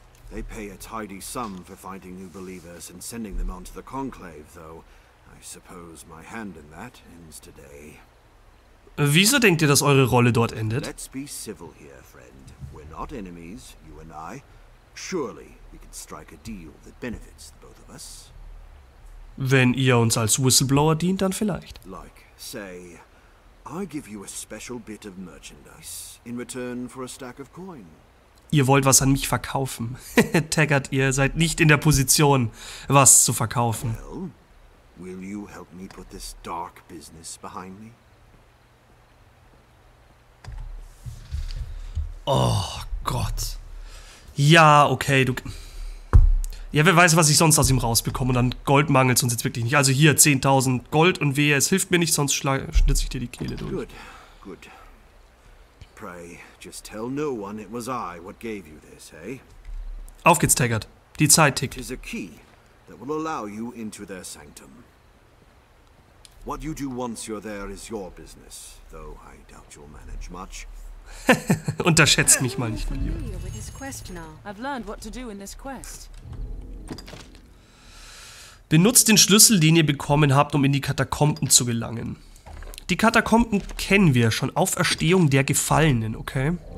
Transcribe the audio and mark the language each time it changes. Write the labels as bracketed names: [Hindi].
[English] They pay a tidy sum for finding new believers and sending them onto the Conclave, though I suppose my hand in that ends today. [German] Wieso denkt ihr, dass eure Rolle dort endet? [English] Let's be civil here, friend. We're not enemies, you and I. Surely we can strike a deal that benefits the both of us. [German] Wenn ihr uns als Whistleblower dient, dann vielleicht. [English] Like, say, I give you a special bit of merchandise in return for a stack of coin. [German] Ihr wollt was an mich verkaufen. Taggart, ihr seid nicht in der Position, was zu verkaufen. [English] Well, will you help me put this dark business behind me? [German] Oh Gott. Ja, okay, du. Ja, wer weiß, was ich sonst aus ihm rausbekomme. Und dann Gold mangelt es uns jetzt wirklich nicht. Also hier, 10.000 Gold und wehe, es hilft mir nicht, sonst schnitze ich dir die Kehle durch. Gut, gut. [English] Pray, just tell no one it was I what gave you this, eh? [German] Auf geht's, Taggart. Die Zeit tickt. [English] It is a key that will allow you into their sanctum. What you do once you're there is your business, though I doubt you'll manage much. [German] Unterschätzt mich mal nicht, mein Lieber. [English] I've learned what to do in this quest. [German] Benutzt den Schlüssel, den ihr bekommen habt, um in die Katakomben zu gelangen. Die Katakomben kennen wir schon. Auferstehung der Gefallenen, okay?